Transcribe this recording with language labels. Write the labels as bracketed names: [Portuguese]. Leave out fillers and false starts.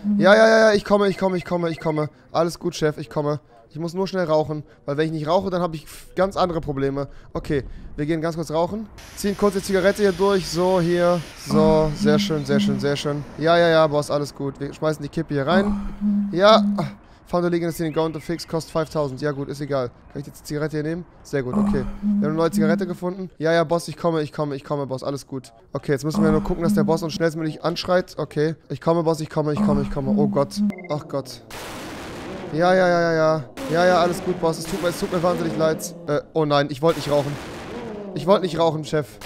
[German] Ja, ich komme. Alles gut, Chef, ich komme. Ich muss nur schnell rauchen, weil wenn ich nicht rauche, dann habe ich ganz andere Probleme. Okay, wir gehen ganz kurz rauchen. Ziehen kurz die Zigarette hier durch. So, hier. So, sehr schön. Ja, Boss, alles gut. Wir schmeißen die Kippe hier rein. Ja. [English] Found a leak in the scene, going to fix, cost 5000. [German] Ja gut, ist egal. Kann ich jetzt die Zigarette hier nehmen? Sehr gut, okay. Wir haben eine neue Zigarette gefunden. Ja, Boss, ich komme, Boss, alles gut. Okay, jetzt müssen wir nur gucken, dass der Boss uns schnellstmöglich anschreit. Okay, ich komme, Boss. Oh Gott. Ach Gott. Ja. Ja, alles gut, Boss. Es tut mir wahnsinnig leid. Oh nein, ich wollte nicht rauchen. Ich wollte nicht rauchen, Chef.